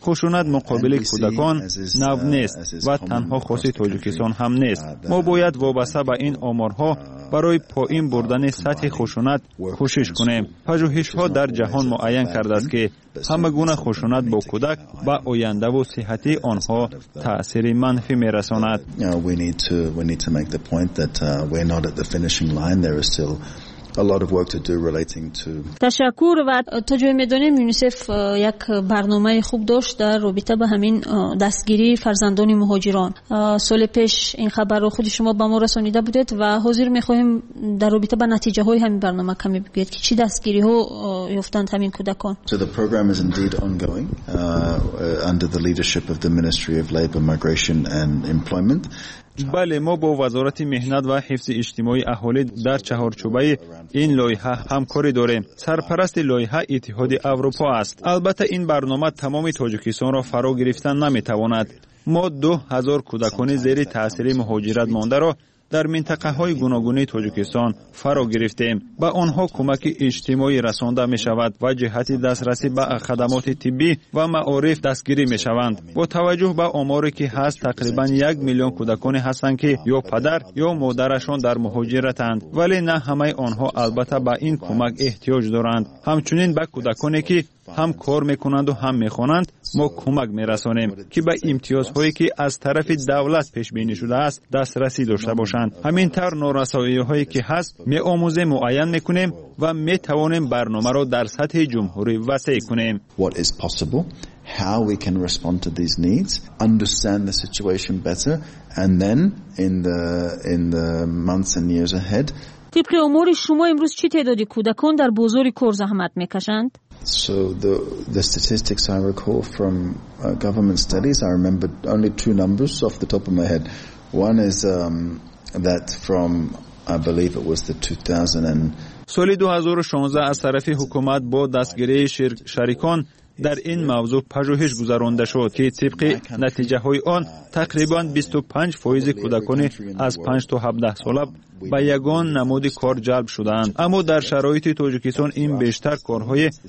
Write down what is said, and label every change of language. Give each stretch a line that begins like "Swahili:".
Persian: خشونت مقابل کودکان نو نیست و تنها خاصی تاجیکستان هم نیست. ما باید وابسته به این آمارها برای پایین بردن سطح خشونت کوشش کنیم. پژوهش‌ها در جهان معین کرده است که همه گونه خشونت با کودک و آینده و صحتی آنها تأثیر منفی می‌رساند.
English: We need to make the point that we're not at the finishing line. There is still a lot of work to do relating to
Persian: تشکر و تا جای میدونیم یونیسف یک برنامه خوب داشت در رابطه با همین دستگیری فرزندان مهاجران سال پیش این خبر رو خود شما به ما رسانیده بودید و حاضر میخواهیم در رابطه با نتیجه های همین برنامه کمی بگید که چی دستگیری ها یافتند همین کودکان
English: So the program is indeed ongoing under the leadership of the Ministry of Labor, Migration and Employment
Persian: بله ما با وزارت مهنت و حفظ اجتماعی اهالی در چهارچوبه این لایحه همکاری داریم سرپرست لایحه اتحاد اروپا است البته این برنامه تمام تاجیکستان را فرا گرفتن نمیتواند ما 2000 کودکان زیر تاثیر مهاجرت مانده را در منطقه های گوناگونی تاجیکستان فرا گرفتیم با آنها کمک اجتماعی رسانده می شود و جهت دسترسی به خدمات طبی و معارف دستگیری می شوند با توجه به آماری که هست تقریبا 1 میلیون کودکان هستند که یا پدر یا مادرشان در مهاجرتند ولی نه همه آنها البته به این کمک احتیاج دارند همچنین به کودکانی که هم کار میکنند و هم میخوانند ما کمک میرسانیم که به امتیازهایی که از طرف دولت پیش بینی شده است دسترسی داشته باشند همین تر نارسایی هایی که هست میآموزیم معین میکنیم و میتوانیم برنامه را در سطح جمهوری وسیع کنیم
English: What is possible? How we can respond to these needs, understand the situation better and then in the months and years ahead
Persian: طبق امور شما امروز چی تعدادی کودکان در بازار کار زحمت میکشند؟
English: So the statistics I recall from government studies, I remember only two numbers off the top of my head. One is that from, I believe it was the 2000.
Persian: سال 2016 از طرف حکومت با دستگیری شریکان در این موضوع پژوهش گذرانده شد که طبق نتیجه های آن تقریبا 25% کودکان از 5 تا 17 ساله با یگان نمود کار جلب شدند اما در شرایط تاجیکستان این بیشتر کارهای